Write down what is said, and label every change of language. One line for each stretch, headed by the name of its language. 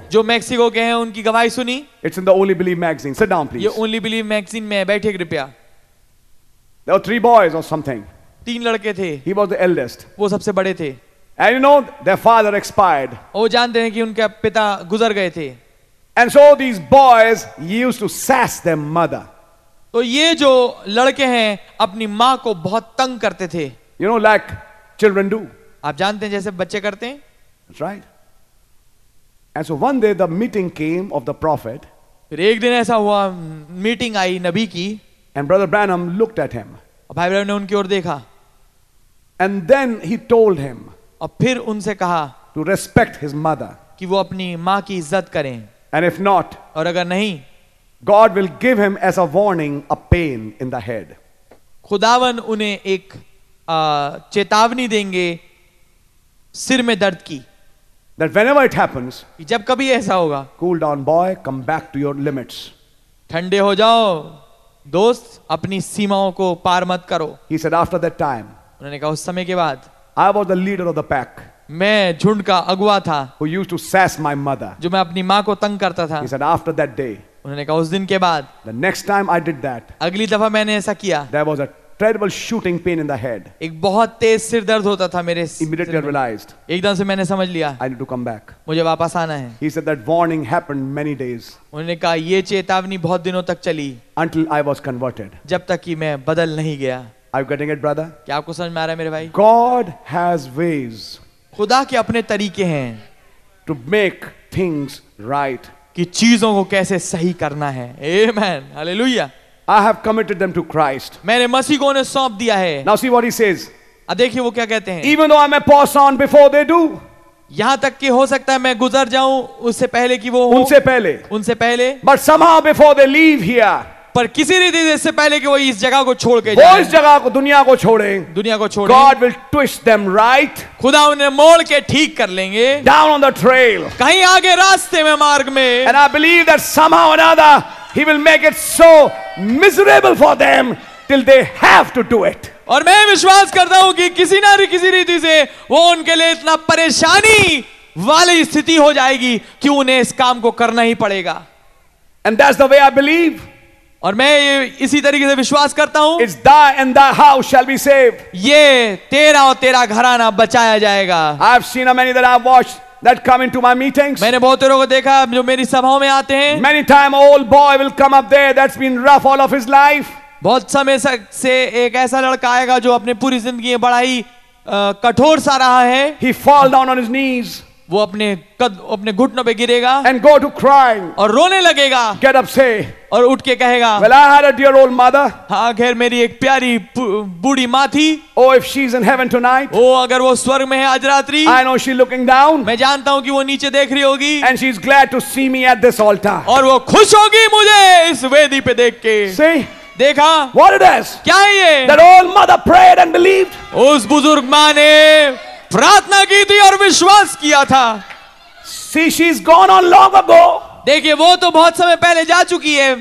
Hindi: जो मेक्सिको के हैं उनकी गवाही सुनी।
English: It's in the only believe magazine. Sit down please.
Hindi: ये ओनली बिलीव मैगजीन में बैठे कृपया।
English: There are three boys और something.
Hindi: तीन लड़के थे।
English: He was the eldest.
Hindi: वो सबसे बड़े थे।
English: And you know, their father expired.
Hindi: वो जानते हैं कि उनके पिता गुजर गए थे।
English: And so these boys used to sass their mother.
Hindi: तो ये जो लड़के हैं अपनी माँ को बहुत तंग करते थे।
English: You know, like children do.
Hindi: आप जानते हैं जैसे बच्चे करते हैं।
English: That's right. And so one day the meeting came of the prophet.
Hindi: फिर एक दिन ऐसा हुआ मीटिंग आई नबी की।
English: And Brother Branham looked at him.
Hindi: भाई ब्रह ने उनकी ओर देखा।
English: And then he told him.
Hindi: और फिर उनसे कहा
English: To respect his mother.
Hindi: कि वो अपनी माँ की इज्जत करें।
English: And if not.
Hindi: और अगर नहीं।
English: God will give him as a warning a pain in the head.
Hindi: खुदावन उन्हें एक चेतावनी देंगे सिर में दर्द की।
English: That whenever it happens.
Hindi: जब कभी ऐसा होगा।
English: Cool down boy come back to your limits.
Hindi: ठंडे हो जाओ दोस्त अपनी सीमाओं को पार मत करो।
English: He said after that time,
Hindi: उन्होंने कहा उस समय के बाद।
English: I was the leader of the pack,
Hindi: मैं झुंड का अगुआ था।
English: Who used to sass my mother,
Hindi: जो मैं अपनी माँ को तंग करता था।
English: He said after that day,
Hindi: उन्होंने कहा उस दिन के बाद।
English: The next time I did that,
Hindi: अगली दफा मैंने ऐसा किया।
English: There was a terrible shooting pain in the head,
Hindi: एक बहुत तेज सिर दर्द होता था मेरे।
English: Immediately realized,
Hindi: एकदम से मैंने समझ लिया।
English: I need to come back,
Hindi: मुझे वापस आना है।
English: He said that warning happened many days.
Hindi: उन्होंने कहा ये चेतावनी बहुत दिनों तक चली।
English: Until I was converted,
Hindi: जब तक कि मैं बदल नहीं गया।
English: Are you getting it, brother?
Hindi: क्या आपको समझ में आ रहा है मेरे भाई?
English: God has ways,
Hindi: खुदा के अपने तरीके हैं।
English: To make things right,
Hindi: कि चीजों को कैसे सही करना है।
English: Amen, Hallelujah. I have committed them to Christ.
Hindi: मैंने मसीह को उन्हें सौंप दिया है।
English: Now see what he says.
Hindi: देखिए वो क्या कहते हैं।
English: Even though I may pass on before they do.
Hindi: यहां तक कि हो सकता है मैं गुजर जाऊं उससे पहले कि वो हो। उनसे पहले। उनसे पहले।
English: But somehow before they leave here.
Hindi: पर किसी रीति से पहले कि वो इस जगह को छोड़ के जाए। वो इस जगह को दुनिया को छोड़े। दुनिया को छोड़े।
English: God will twist them right.
Hindi: खुदा उन्हें मोड़ के ठीक कर लेंगे।
English: Down on the trail.
Hindi: कहीं आगे रास्ते में मार्ग में।
English: And I believe that somehow or another he will make it so miserable for them till they have to do it.
Hindi: और मैं विश्वास करता हूं कि किसी ना किसी रीति से वो उनके लिए इतना परेशानी वाली स्थिति हो जाएगी कि उन्हें इस काम को करना ही पड़ेगा।
English: And that's the way I believe.
Hindi: और मैं ये इसी तरीके से विश्वास करता हूं।
English: It's thy and thy house shall be saved.
Hindi: ये तेरा और तेरा घराना बचाया जाएगा।
English: I've seen many that I've watched. That come into my meetings.
Hindi: मैंने बहुत लोगों को देखा जो मेरी सभाओं में आते हैं।
English: Many time old boy will come up there. That's been rough all of his life.
Hindi: बहुत समय से एक ऐसा लड़का आएगा जो अपने पूरी ज़िंदगी में बड़ा ही कठोर सा रहा है।
English: He fall down on his knees.
Hindi: वो अपने अपने घुटनों पे गिरेगा।
English: And go to crying.
Hindi: और रोने लगेगा।
English: Get up say.
Hindi: और उठ के कहेगा।
English: Well, I had a dear old mother.
Hindi: हाँ खैर मेरी एक प्यारी बूढ़ी माँ थी।
English: Oh, if she's in heaven tonight.
Hindi: ओ अगर वो स्वर्ग में है आज रात्रि।
English: I know she's looking down.
Hindi: मैं जानता हूँ कि वो नीचे देख रही होगी।
English: And she's glad to see me at this altar.
Hindi: और वो खुश होगी मुझे इस वेदी पे देख के।
English: See?
Hindi: देखा?
English: What it is?
Hindi: क्या ये?
English: That old mother prayed and believed.
Hindi: उस बुजुर्ग माँ ने प्रार्थना की थी और विश्वास किया था।
English: See, she's gone on long ago.
Hindi: देखिए वो तो बहुत समय पहले जा चुकी है।